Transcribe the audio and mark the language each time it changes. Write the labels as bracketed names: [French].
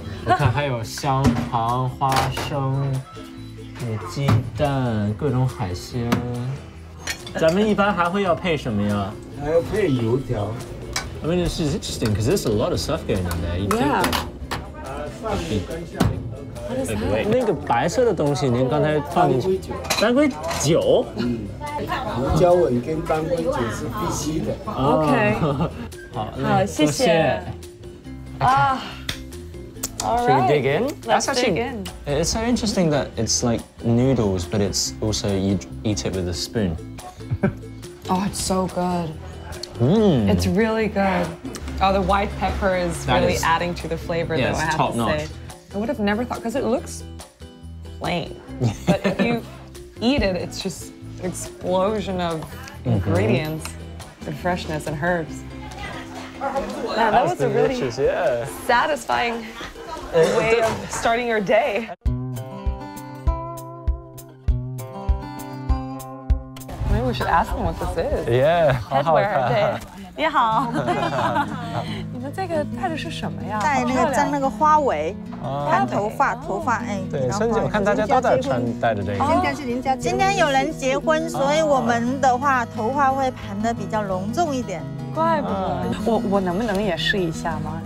[Chinese] 我看还有香肠、花生、鸡蛋、各种海鲜。咱们一般还会要配什么呀？还要配油条。 [English] I mean, this is interesting because there's a lot of stuff going on there. Yeah. [Chinese] 蒜、干香都可以。那个白色的东西您刚才放进去当归酒胡椒粉跟当归酒是必须的、哦、OK 好谢谢啊。 [English] Right. Should we dig in? Let's dig in. It's so interesting that it's like noodles, but it's also you eat it with a spoon. Oh, it's so good. It's really good. Oh, the white pepper is that really is, adding to the flavor, yeah, though, it's I have top to notch. Say. I would have never thought, because it looks plain. But if you eat it, it's just an explosion of ingredients and freshness and herbs. That was a really satisfying way of starting your day. Maybe we should ask them what this is. Yeah. Headwear. 你好。 [Chinese] 你们这个戴的是什么呀？戴那个粘那个花围，盘头发，头发哎。对，甚至我看大家都在穿戴着这个。今天是人家今天有人结婚，所以我们的话头发会盘得比较隆重一点。怪不得、我能不能也试一下吗？